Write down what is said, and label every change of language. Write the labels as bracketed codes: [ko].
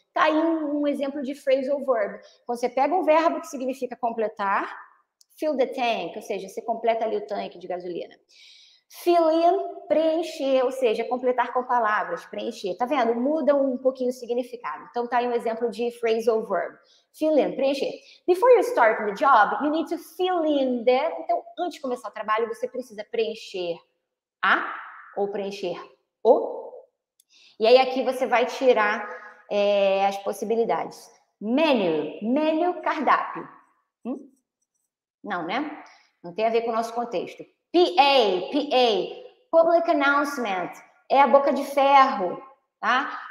[pt] Tá aí um exemplo de phrasal verb. Quando você pega um verbo que significa completar. [en] Fill the tank. [pt] Ou seja, você completa ali o tanque de gasolina. Fill in, preencher, ou seja, completar com palavras, preencher. Tá vendo? Muda um pouquinho o significado. Então, tá aí um exemplo de phrasal verb. Fill in, preencher. [en] Before you start the job, you need to fill in the. [pt] Então, antes de começar o trabalho, você precisa preencher a ou preencher o. E aí, aqui você vai tirar as possibilidades. Menu, cardápio. Não, né? Não tem a ver com o nosso contexto. PA, Public Announcement, é a boca de ferro, tá?